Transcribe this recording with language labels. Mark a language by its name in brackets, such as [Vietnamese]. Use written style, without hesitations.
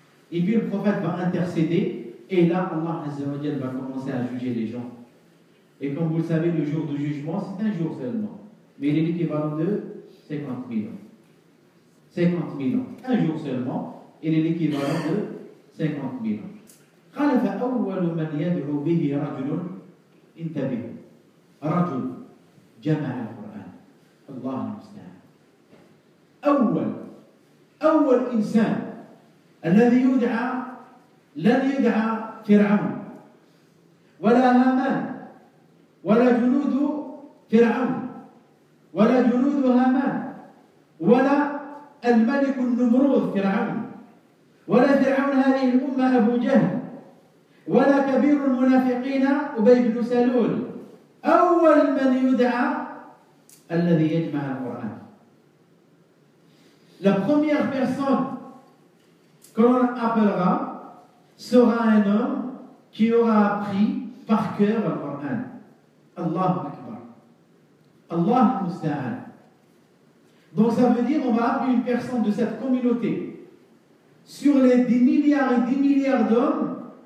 [French] Et puis le prophète va intercéder. Et là, Allah Azza wa Jal va commencer à juger les gens. Et comme vous le savez, le jour du jugement, c'est un jour seulement. Mais il est l'équivalent de 50 000 ans. 50 000 ans. Un jour seulement. Il est l'équivalent de 50 000 ans. [Arabic] قال فأول من يدعو به رجل انتبه رجل جمع القرآن الله المستعان أول إنسان الذي يدعى لن يدعى فرعون ولا هامان ولا جنود فرعون ولا جنود هامان ولا الملك النمرود فرعون ولا فرعون هذه الأمة أبو جهل ولا كبير المنافقين أبي بن سلول. أول من يدعى الذي يجمع القرآن. [French] La première personne qu'on appellera sera un homme qui aura appris par cœur le Coran. [Arabic] الله أكبر. الله المستعان. [French] Donc ça veut dire on va appeler une personne de cette communauté sur les 10 milliards et 10 milliards d'hommes.